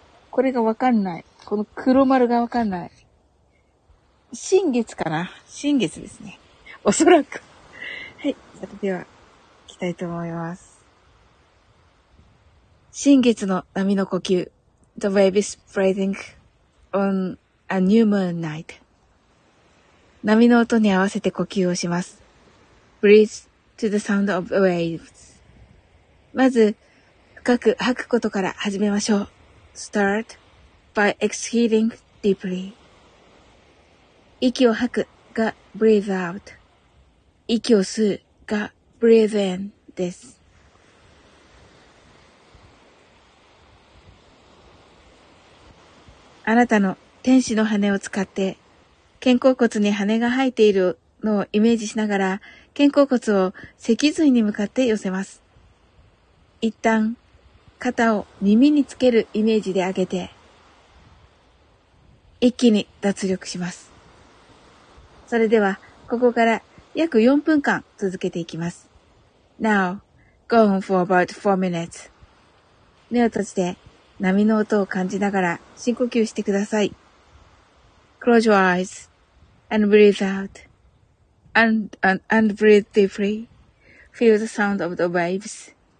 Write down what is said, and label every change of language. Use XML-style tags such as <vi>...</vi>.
<ja>これがわかんない。この黒丸がわかんない。新月かな？新月ですね。おそらく。はい。それでは、行きたいと思います。新月の波の呼吸。</ja> <en>The wave is breathing on a new moon night.</en> <ja>波の音に合わせて呼吸をします。</ja> <en>Breathe to the sound of waves.</en> <ja>まず、深く吐くことから始めましょう。</ja> <en>Start by exhaling deeply.</en> <ja>息を吐くが</ja> <en>breathe out。</en> <ja>息を吸うが</ja> <en>breathe in</en> <ja>です。あなたの天使の羽を使って肩甲骨に羽が生えているのをイメージしながら、肩甲骨を脊髄に向かって寄せます。一旦、肩を耳につけるイメージで上げて、一気に脱力します。それでは、ここから約4分間続けていきます。</ja> <en>Now, go on for about 4 minutes.</en> <ja>目を閉じて、波の音を感じながら深呼吸してください。</ja> <en>Close your eyes and breathe out. And breathe deeply. Feel the sound of the waves.</en>